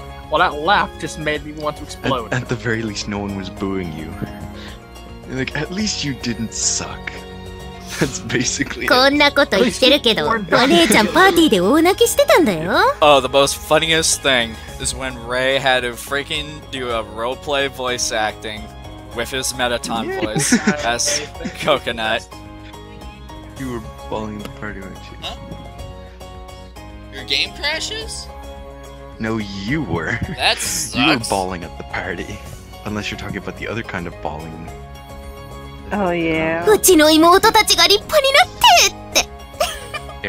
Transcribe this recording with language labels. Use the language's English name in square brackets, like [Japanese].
[English] Well, that laugh just made me want to explode. At the very least, no one was booing you. Like, at least you didn't suck. That's basically [Japanese] こんなこと言ってるけど、お姉ちゃんパーティーで大泣きしてたんだよ。 [English] Oh, the most funniest thing is when Ray had to freaking do a roleplay voice acting with his Metaton voice as Coconut. You were bullying the party, weren't you? Your game crashes? No, you were. That sucks. You were bawling at the party. Unless you're talking about the other kind of bawling. Oh, yeah. [Japanese] うちの妹たちが立派になってって